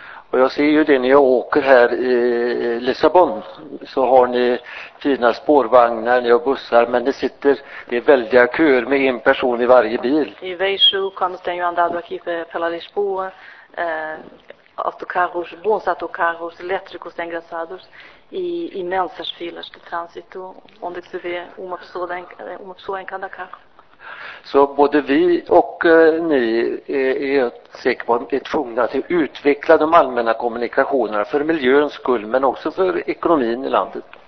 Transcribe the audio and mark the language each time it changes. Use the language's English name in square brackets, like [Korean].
[Swedish] Och jag ser ju det när jag åker här i Lissabon, så har ni fina spårvagnar, ni har bussar, men det sitter, det är väldiga köer med en person i varje bil. Jag [Portuguese] vejo quando tenho andado aqui pela Lisboa, autocarros, bons autocarros elétricos engraçados e imensas filas de trânsito, onde se vê uma pessoa em cada carro. [Swedish] Så både vi och ni är säkert är tvungna att utveckla de allmänna kommunikationerna för miljöns skull, men också för ekonomin i landet.